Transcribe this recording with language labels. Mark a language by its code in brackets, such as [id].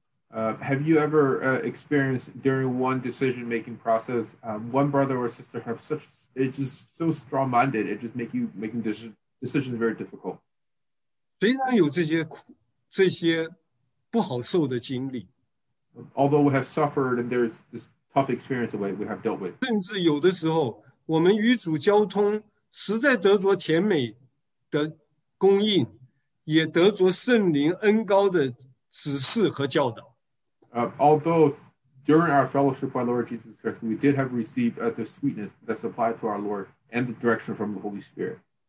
[en] Have you ever experienced during one decision-making process, one brother or sister have such, it's just so strong-minded, it just make you making decisions very difficult? [zh] 虽然有这些不好受的经历, [en] although we have suffered and there's this tough experience that we have dealt with, [zh] 甚至有的时候,我们与主交通,实在得着甜美的供应, 也得着圣灵恩膏的指示和教导。 [en] Although during our fellowship by Lord Jesus Christ, we did have received the sweetness that supplied to our Lord and the direction from the Holy Spirit.